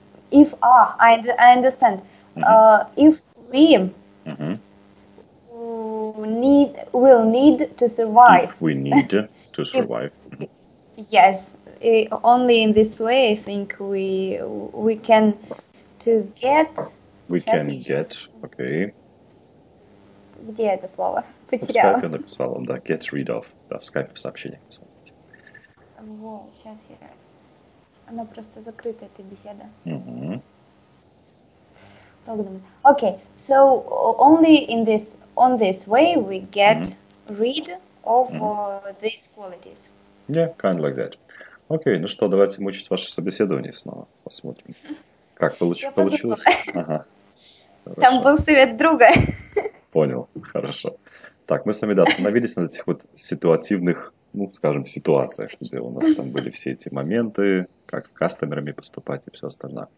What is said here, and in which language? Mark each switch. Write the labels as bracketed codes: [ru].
[en] Mm-hmm. If, I understand. Mm-hmm. If we will need to survive. If we need to survive. Yes, only in this way, I think, we can to get we can get, okay. [ru] Где это слово? Потеряла. В скайпе написала, да, [en] get rid of, [ru] да, в скайпе сообщение написала. Во, сейчас я... Она просто закрыта, эта беседа. [en] Okay, so only in this, on this way we get rid of these qualities. Yeah, kind of like that. [ru] Okay, ну что, давайте мучить ваше собеседование снова. Посмотрим, как получилось. Ага. Там был совет друга. Понял, хорошо. Так, мы с вами, да, остановились на этих вот ситуативных, ну, скажем, ситуациях, где у нас там были все эти моменты, как с кастомерами поступать и все остальное.